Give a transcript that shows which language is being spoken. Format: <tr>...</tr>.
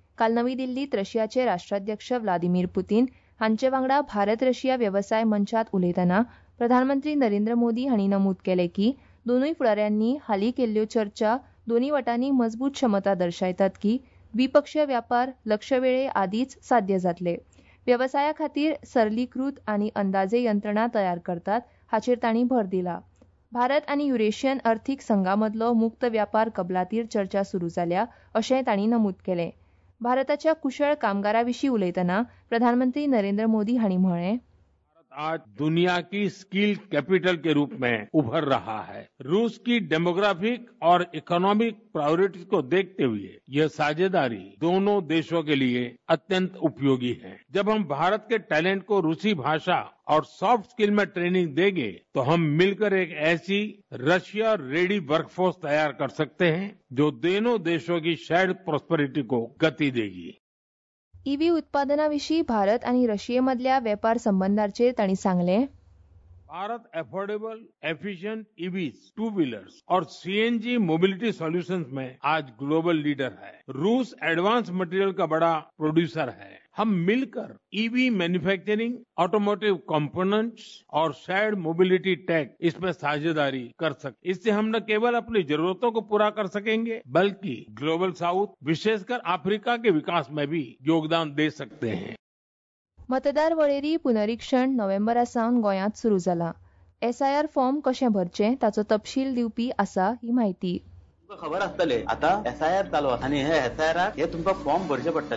<kok>काल नवी दिल्लीत रशियाचे राष्ट्राध्यक्ष व्लादिमीर पुतीन हांचे वांगडा भारत रशिया वेवसाय मंचात उलयताना प्रधानमंत्री नरेंद्र मोदी हांणी नमूद केले की दोनूय फुडाऱ्यांनी हाली केल्ल्यो चर्चा दोनी वटांनी मजबूत क्षमता दर्शयतात की द्विपक्षीय व्यापार लक्षवेळे आदीच साध्य जातले. वेवसाया खातीर सरलीकृत आनी अंदाजे यंत्रणा तयार करतात हाचेर तांणी भर दिला. भारत आनी युरेशियन अर्थीक संघामधलो मुक्त व्यापार कबलातीर चर्चा सुरू जाल्या अशें तांणी नमूद केलें. भारताच्या कुशळ कामगाराविशी उलयतना प्रधानमंत्री नरेंद्र मोदी हांणी म्हळें,</kok> <hi>आज दुनिया की स्किल कैपिटल के रूप में उभर रहा है. रूस की डेमोग्राफिक और इकोनॉमिक प्रायोरिटीज को देखते हुए यह साझेदारी दोनों देशों के लिए अत्यंत उपयोगी है. जब हम भारत के टैलेंट को रूसी भाषा और सॉफ्ट स्किल में ट्रेनिंग देंगे तो हम मिलकर एक ऐसी रशिया रेडी वर्कफोर्स तैयार कर सकते हैं जो दोनों देशों की शेयर्ड प्रॉस्पेरिटी को गति देगी.</hi> <kok>ईवी उत्पादनाविषयी भारत आणि रशियेमधल्या व्यापार संबंधांचे त्यांनी सांगले,</kok> <hi>Bharat affordable efficient EVs two wheelers और सीएनजी मोबिलिटी सॉल्यूशन्स में आज ग्लोबल लीडर है. रूस एडवांस मटेरियल का बड़ा प्रोड्यूसर है. हम मिलकर ईवी मैन्युफैक्चरिंग, ऑटोमोटिव कंपोनेंट्स और शेयर्ड मोबिलिटी टेक इसमें साझेदारी कर सकते. इससे हम न केवल अपनी जरूरतों को पूरा कर सकेंगे बल्कि ग्लोबल साउथ विशेषकर अफ्रीका के विकास में भी योगदान दे सकते हैं.</hi> <kok>मतदार वळेरी पुनरीक्षण नोव्हेंबरासावन गोंयांत सुरू जालां. एसआयआर फॉर्म कशें भरचें ताचो तपशील दिवपी आसा ही माहिती. खबर आसतले आतां एसआयआर चालू आसा आनी हे एसआयआराक हे तुमकां फॉर्म भरचे पडटले.</kok>